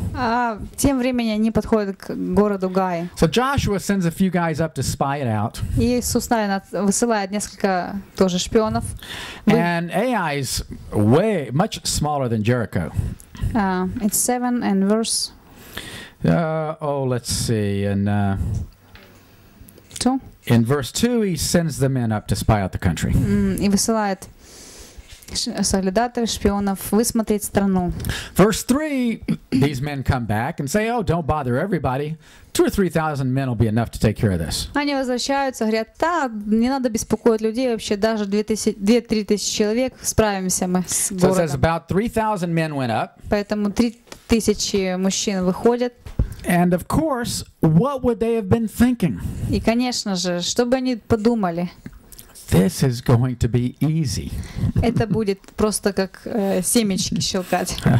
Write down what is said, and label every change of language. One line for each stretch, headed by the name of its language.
Russian: А тем временем они подходят к городу Гай.
English: So Joshua sends a few guys up to spy it out.
Russian: И Иисус высылает несколько тоже шпионов.
English: And Ai is way much smaller than Jericho. It's 7 and verse. Let's see and. Two. In verse 2, he sends the men up to spy out the country.
Russian: И высылает солдатов, шпионов, высмотреть страну.
English: Verse 3, these men come back and say, "Oh, don't bother everybody. 2,000 or 3,000 men will be enough to take care of this."
Russian: Они возвращаются, говорят: "Да, не надо беспокоить людей вообще, даже 2,000-3,000 человек справимся мы с городом."
English: So it says about 3,000 men went up.
Russian: Поэтому 3,000 мужчин выходят.
English: And of course, what would they have been thinking?
Russian: И конечно же, что бы они подумали?
English: This is going to be easy.
Russian: Это будет просто как семечки щелкать.